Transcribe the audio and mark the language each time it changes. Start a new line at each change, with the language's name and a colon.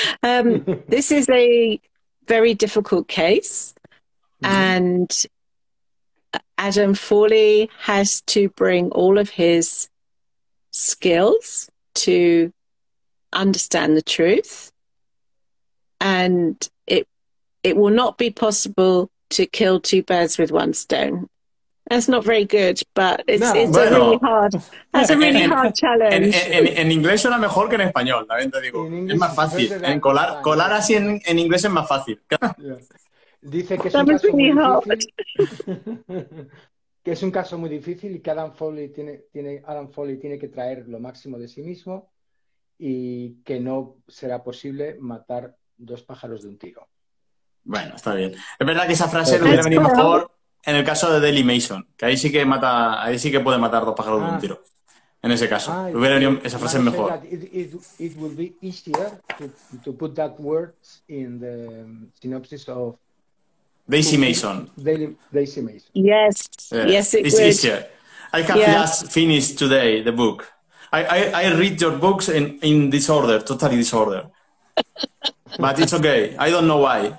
English: this is a very difficult case, and Adam Foley has to bring all of his skills to understand the truth, and it will not be possible to kill two birds with one stone. That's not very good, but it's a really hard challenge.
Spanish: En inglés suena mejor que en español, también te digo. Es más fácil. Colar así en inglés es más fácil. Dice que es un caso muy difícil. Que es un caso muy difícil y que Adam Foley tiene que traer lo máximo de sí mismo y que no será posible matar dos pájaros de un tiro. Bueno, está bien. Es verdad que esa frase le hubiera venido mejor en el caso de Daily Mason, que ahí sí que puede matar dos pájaros de un tiro. En ese caso, hubiera venido esa frase mejor.
English: It will be easier to put that words in the synopsis of Daisy Mason. Daisy Mason. Yes. Yes, it is. I have just finished today the book. I read your books in disorder, totally disorder. But it's okay. I don't know why.